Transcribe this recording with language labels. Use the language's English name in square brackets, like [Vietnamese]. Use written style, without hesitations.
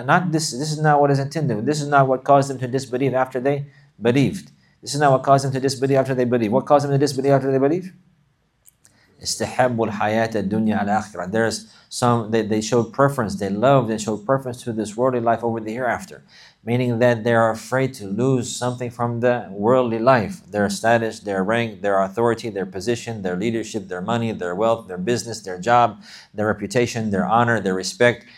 [English] This is not what is intended. This is not what caused them to disbelieve after they believed. This is not what caused them to disbelieve after they believe. What caused them to disbelieve after they believe? [Arabic] استحبوا الحياة الدنيا على الآخرة. [English] There's some, they showed preference, they love, they showed preference to this worldly life over the hereafter. Meaning that they are afraid to lose something from the worldly life. Their status, their rank, their authority, their position, their leadership, their money, their wealth, their business, their job, their reputation, their honor, their respect.